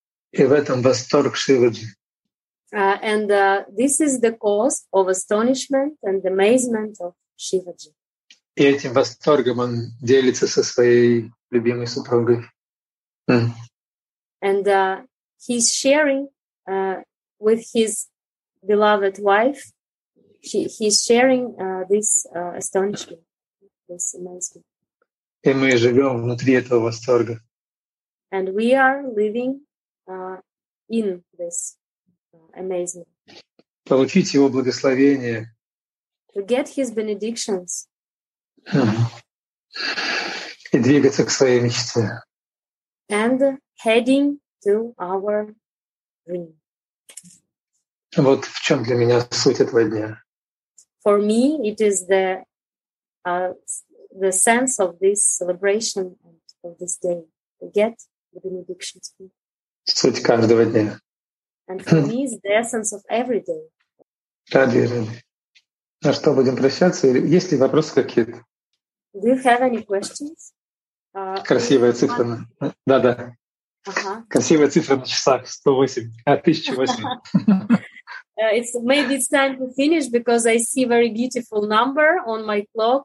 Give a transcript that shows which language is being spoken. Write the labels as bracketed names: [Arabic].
[Russian] И в этом восторг Шиваджи. [English] And this is the cause of astonishment and amazement of Шиваджи. [Russian] И этим восторгом он делится со своей любимой супругой. [English] And he's sharing with his beloved wife. He's sharing this astonishment, this amazement. [Russian] И мы живем внутри этого восторга. [English] And we are living in this amazement. [Russian] Получить его благословение. [English] To get his benedictions. [Russian] И двигаться к своей мечте. [English] And heading to our dream. [Russian] Вот в чем для меня суть этого дня. [English] For me, it is the sense of this celebration and of this day. To get the benedictions. [Russian] Суть каждого дня. [English] And for me, it's the essence of every day. [Russian] Ради, ради. На что будем прощаться? Есть ли вопросы какие-то? [English] Do you have any questions? [Russian] Красивая цифра. Да-да. Красивая цифра на часах. 108. 1008. [English] It's maybe it's time to finish because I see very beautiful number on my clock.